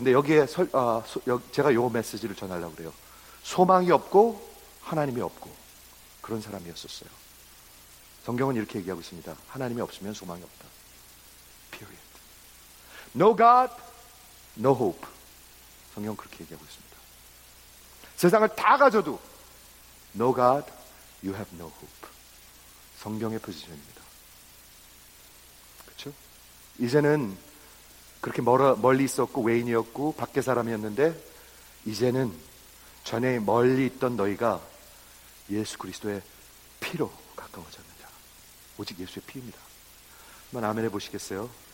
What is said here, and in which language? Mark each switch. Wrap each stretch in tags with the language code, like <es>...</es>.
<ko>근데 여기에 제가 요 메시지를 전하려고 그래요. 소망이 없고 하나님이 없고 그런 사람이었었어요. 성경은 이렇게 얘기하고 있습니다. 하나님이 없으면 소망이 없다.</ko> <en>Period. No God, no hope.</en> <ko>성경은 그렇게 얘기하고 있습니다. 세상을 다 가져도</ko> <en>No God, you have no hope.</en> <ko>성경의 포지션입니다. 그렇죠? 이제는 그렇게 멀리 있었고 외인이었고 밖에 사람이었는데 이제는 전에 멀리 있던 너희가 예수 그리스도의 피로 가까워졌느냐. 오직 예수의 피입니다. 한번 아멘해 보시겠어요?</ko>